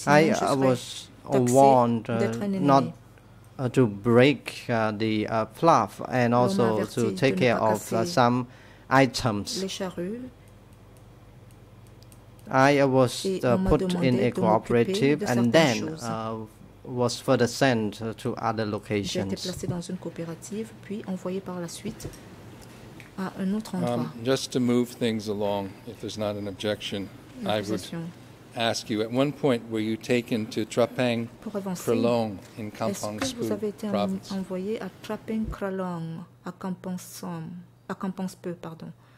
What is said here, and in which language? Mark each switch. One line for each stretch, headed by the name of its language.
English: I was warned not to break the plough and also to take care of some items.
French: Les charrues.
English: I was put in a cooperative and then was further sent to other locations.
French: J'ai été placé dans une coopérative, puis envoyé par la suite à un autre endroit.
English: Just to move things along, if there's not an objection, I would ask you, at one point, were you taken to Trapang Kralong in Kampong Speu province?
French: Est-ce que vous avez été envoyé à Trapang Kralong, à Kampong Speu, pardon?